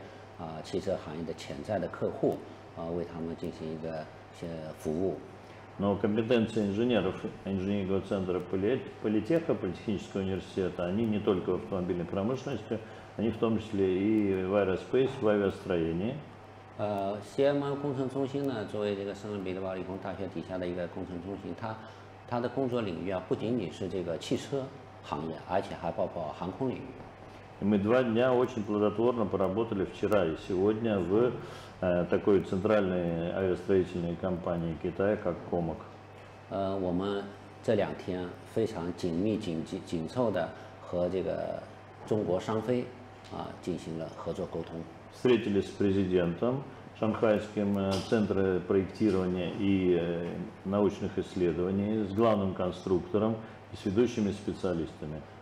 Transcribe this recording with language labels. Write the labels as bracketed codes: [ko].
[zh] 在这个展会的帮助下呢，我们今年又认识了合作了新的这个汽车行业的企业，汽车行业的潜在的客户。为他们进行一个服务。 [ru] Но компетенции инженеров инженерного центра Политеха, Политехнического университета, они не только в автомобильной промышленности, они в том числе и в аэроспейс, в авиастроении. [zh] CMI工程中心呢，作为这个圣彼得堡理工大学底下的一个工程中心，它的工作领域啊，不仅仅是这个汽车行业，而且还包括航空领域。 [ru] Мы два дня очень плодотворно поработали вчера и сегодня в такой центральной авиастроительной компании Китая, как Комак. Встретились с президентом Шанхайским центра проектирования и научных исследований, с главным конструктором и с ведущими специалистами.